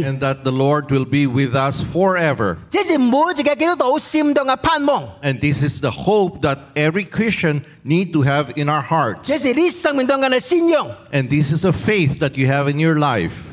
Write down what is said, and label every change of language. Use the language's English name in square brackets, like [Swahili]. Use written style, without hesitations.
[English] And that the Lord will be with us forever. [Chinese] 这是每一个基督徒心中的盼望。 [English] And this is the hope that every Christian need to have in our hearts. [Chinese] 这是你生命中的信仰。 [English] And this is the faith that you have in your life.